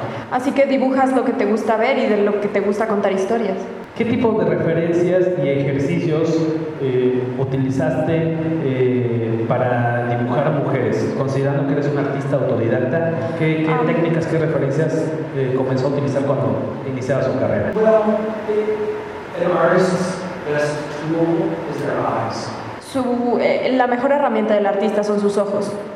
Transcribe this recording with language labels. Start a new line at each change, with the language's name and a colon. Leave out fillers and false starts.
Spanish: Así que dibujas lo que te gusta ver y de lo que te gusta contar historias. ¿Qué tipo de referencias y ejercicios utilizaste para dibujar a mujeres? Considerando que eres un artista autodidacta, ¿qué técnicas, qué referencias comenzó a utilizar cuando iniciaba su carrera?
English: Well, an artist's best tool is their eyes.
Spanish: La mejor herramienta del artista son sus ojos.